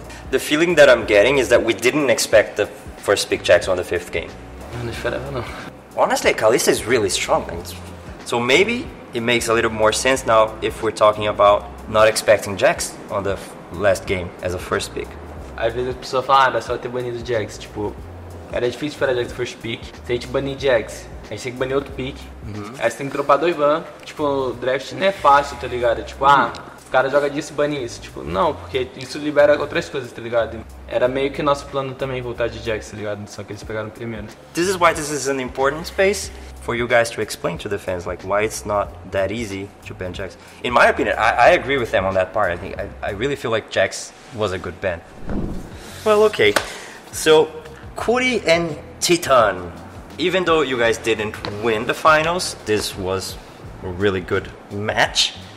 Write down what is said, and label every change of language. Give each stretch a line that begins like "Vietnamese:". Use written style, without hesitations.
English: The feeling that I'm getting is that we didn't expect the first pick Jax on the fifth game. Honestly, Kalista is really strong. So maybe it makes a little more sense now if we're talking about not expecting Jax on the last game as a first pick.
Portuguese: Às vezes as pessoas falam, era só ter banido Jax. Tipo, era difícil esperar Jax first pick. Se a gente banir Jax, a gente tem que banir outro pick. Uhum. Aí você tem que dropar dois ban. Tipo, o draft não é fácil, tá ligado? Tipo, o cara joga disso e bane isso. Tipo, não, porque isso libera outras coisas, tá ligado? Era meio que nosso plano também voltar de Jax, ligado? Só que eles pegaram primeiro.
English: This is why this is an important space for you guys to explain to the fans, like, why it's not that easy to ban Jax. In my opinion, I agree with them on that part. I really feel like Jax was a good ban. Well, okay. So, Kuri and Titan. Even though you guys didn't win the finals, this was a really good match.